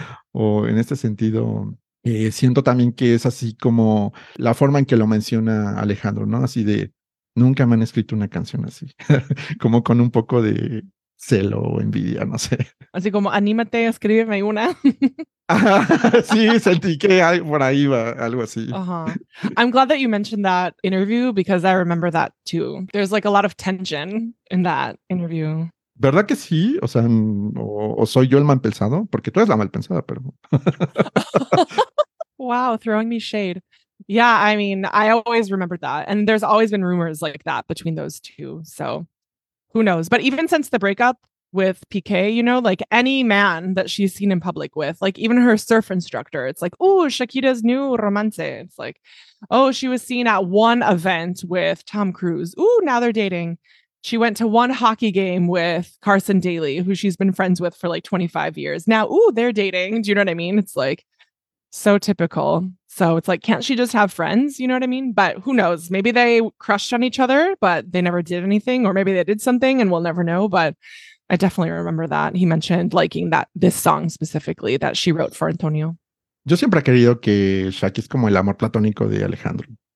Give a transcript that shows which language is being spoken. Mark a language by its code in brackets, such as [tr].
[es] O en este sentido, siento también que es así como la forma en que lo menciona Alejandro, ¿no? Así de, nunca me han escrito una canción así, como con un poco de celo o envidia, no sé. Así como, anímate, escríbeme una. Sí, sentí que por ahí iba, algo así. Uh-huh. [en] I'm glad that you mentioned that interview because I remember that too. There's like a lot of tension in that interview. [es] ¿Verdad que sí? O sea, o soy yo el mal pensado, porque tú eres la mal pensada, pero. [en] Wow, throwing me shade. Yeah, I mean, I always remember that. And there's always been rumors like that between those two. So who knows? But even since the breakup with PK, you know, like any man that she's seen in public with, like even her surf instructor, it's like, oh, Shakira's new romance. It's like, oh, she was seen at one event with Tom Cruise. Ooh, now they're dating. She went to one hockey game with Carson Daly, who she's been friends with for like 25 years. Now, ooh, they're dating. Do you know what I mean? It's like so typical. So it's like, can't she just have friends? You know what I mean? But who knows? Maybe they crushed on each other, but they never did anything. Or maybe they did something and we'll never know. But I definitely remember that. He mentioned liking that this song specifically that she wrote for Antonio. [es] Yo siempre he querido que Shaki es como el amor platónico de Alejandro.